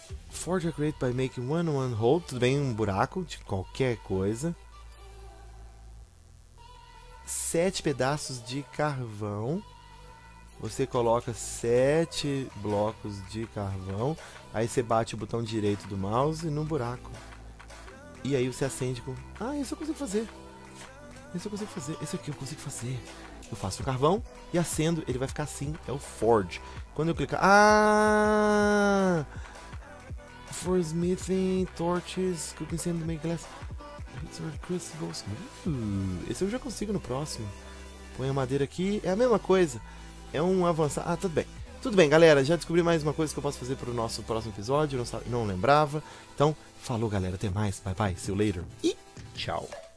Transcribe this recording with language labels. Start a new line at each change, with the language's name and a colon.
English: Forge a crate by making one hole.
Portuguese: Tudo bem, um buraco de qualquer coisa. Sete pedaços de carvão. Você coloca sete blocos de carvão. Aí você bate o botão direito do mouse no buraco. E aí você acende com. Ah, isso eu consigo fazer. Isso eu consigo fazer. Isso aqui eu consigo fazer. Eu faço o carvão e acendo. Ele vai ficar assim. É o Forge. Quando eu clicar. Ah!
English: For smithing, torches, cooking sand, make glass. Crucibles.
Portuguese: Esse eu já consigo no próximo. Põe a madeira aqui. É a mesma coisa. É um avançar. Ah, tudo bem. Tudo bem, galera. Já descobri mais uma coisa que eu posso fazer para o nosso próximo episódio. Não lembrava. Então, falou, galera. Até mais.
English: Bye, bye. See you later.
Portuguese: E tchau.